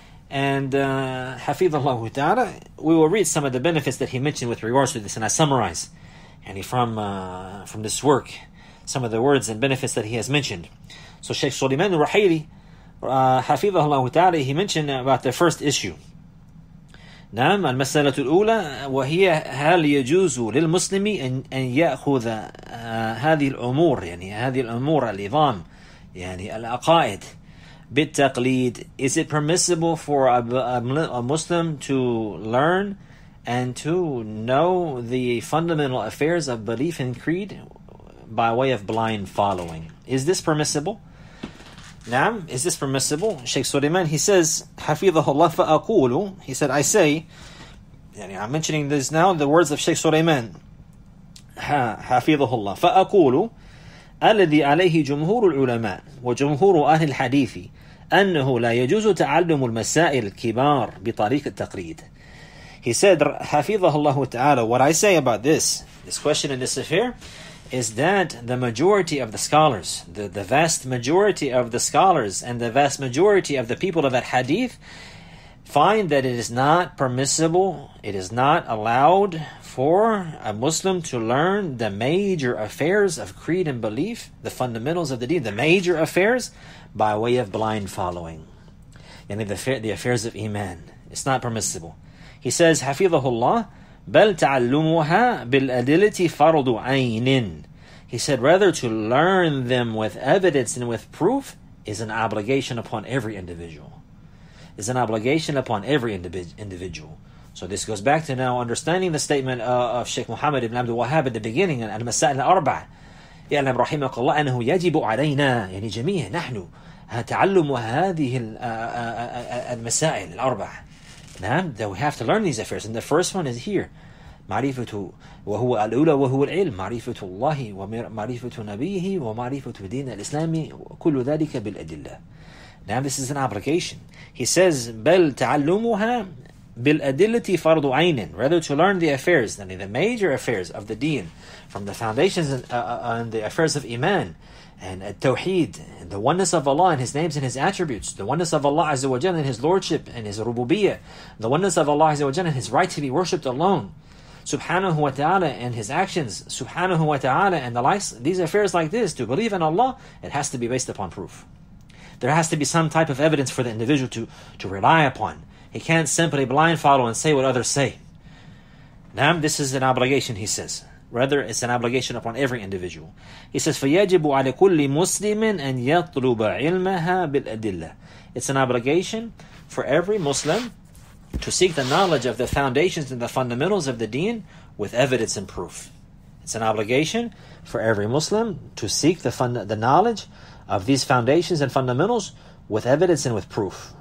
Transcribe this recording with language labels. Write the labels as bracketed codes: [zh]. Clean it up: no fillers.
[en] And hafidhahullah ta'ala, we will read some of the benefits that he mentioned with regards to this, and I summarize from this work some of the words and benefits that he has mentioned. So Shaykh Suleiman al-Ruhaydi, hafidhahullah ta'ala, he mentioned about the first issue. [ar] نعم المسألة الأولى وهي هل يجوز للمسلم أن يأخذ هذه الأمور يعني هذه الأمور العظام يعني العقائد بالتقليد. [en] Is it permissible for a Muslim to learn and to know the fundamental affairs of belief and creed by way of blind following? Is this permissible? [ar] نعم, [en] is this permissible? [ar] Shaykh Suleiman, [en] he says, [ar] حفظه الله فأقول, [en] he said, I say, [ar] يعني [en] I'm mentioning this now, the words of [ar] Shaykh Suleiman, حفظه الله فأقول الذي عليه جمهور العلماء وجمهور أهل الحديث أنه لا يجوز تعلم المسائل الكبار بطريق التقليد. [en] He said, [ar] حفظه الله تعالى, [en] what I say about this question and this affair, is that the majority of the scholars, the vast majority of the scholars and the vast majority of the people of that hadith find that it is not permissible, it is not allowed for a Muslim to learn the major affairs of creed and belief, the fundamentals of the deen, the major affairs, by way of blind following. Yani the affairs of Iman. It's not permissible. He says, [ar] Hafidhahullah, بل تعلمها بالأدلة فرض عين. [en] He said, rather to learn them with evidence and with proof is an obligation upon every individual. Is an obligation upon every individual. So this goes back to now understanding the statement of Sheikh Muhammad ibn Abdul Wahhab at the beginning in Al-Masail al-Arba. [ar] يَعْلَمْ رَحِمَكَ اللَّهُ أَنَّهُ يَجِبُ عَلَيْنَا يَعْنِي جَمِيعًا نَحْنُ تَعَلُّمُ هَذِهِ الْمَسَائِلِ الْأَرْبَعِ. نعم, [en] that we have to learn these affairs. And the first one is here. [ar] مَعْرِفَةُ وَهُوَ الْأُولَى وَهُوَ الْعِلْمُ مَعْرِفَةُ اللَّهِ وَمَعْرِفَةُ نَبِيهِ وَمَعْرِفَةُ دِينَ الْإِسْلَامِ كُلُّ ذَلِكَ بِالْأَدِلَّةِ. [en] Now this is an obligation. He says, [ar] بَلْ تَعَلُّمُهَا بِالْأَدِلَّةِ فَرْضُ عَيْنٍ. [en] Rather to learn the affairs, than the major affairs of the deen, from the foundations and the affairs of Iman, and at-tawheed, the oneness of Allah and His names and His attributes, the oneness of Allah Azza wa Jalla and His Lordship and His Rububiyyah, the oneness of Allah Azza wa Jalla and His right to be worshipped alone, Subhanahu wa ta'ala and His actions, Subhanahu wa ta'ala and the likes, these affairs like this, to believe in Allah, it has to be based upon proof. There has to be some type of evidence for the individual to rely upon. He can't simply blind follow and say what others say. Naam, this is an obligation, he says. Rather, it's an obligation upon every individual. He says, [ar] فَيَجِبُ عَلَى كُلِّ مُسْلِمٍ أَنْ يَطْلُبَ عِلْمَهَا بِالْأَدِلَّةِ. [en] It's an obligation for every Muslim to seek the knowledge of the foundations and the fundamentals of the deen with evidence and proof. It's an obligation for every Muslim to seek the knowledge of these foundations and fundamentals with evidence and with proof.